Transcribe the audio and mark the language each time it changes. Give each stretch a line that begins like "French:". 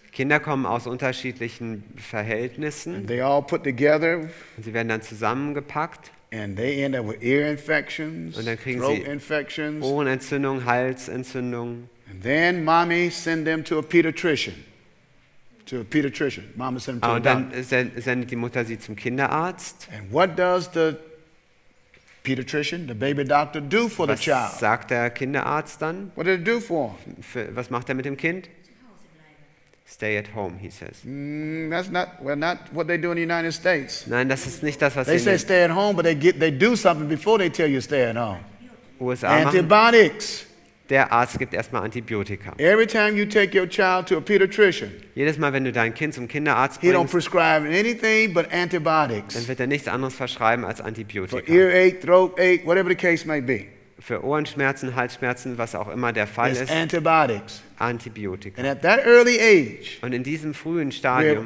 German: Kinder kommen aus unterschiedlichen Verhältnissen.
English: And they all put together.
German: Und sie werden dann zusammengepackt.
English: And they end up with ear infections.
German: Und dann kriegen
English: throat
German: sie
English: infections.
German: Ohrenentzündung, Halsentzündung.
English: And then mommy send them to a pediatrician. To a pediatrician. Mama sent him to
German: und dann sendet die Mutter sie zum Kinderarzt.
English: And what does the pediatrician, the baby doctor, do for
German: was
English: the child?
German: Was sagt der Kinderarzt dann?
English: What did he do for?
German: Was macht er mit dem Kind?
English: Stay at home, he says. That's not what they do in the United States.
German: Nein, das ist nicht das, was
English: they say. Stay at home, but they do something before they tell you stay at home. USA antibiotics.
German: Der Arzt gibt erstmal Antibiotika.
English: Every time you take your child to a pediatrician,
German: jedes Mal, wenn du dein Kind zum Kinderarzt bringst,
English: he don't prescribe anything but antibiotics.
German: Dann wird er nichts anderes verschreiben als Antibiotika.
English: For earache, throat ache, whatever the case may be.
German: Für Ohrenschmerzen, Halsschmerzen, was auch immer der Fall
English: it's
German: ist.
English: Antibiotics.
German: Antibiotika.
English: And at that early age,
German: und in diesem frühen Stadium,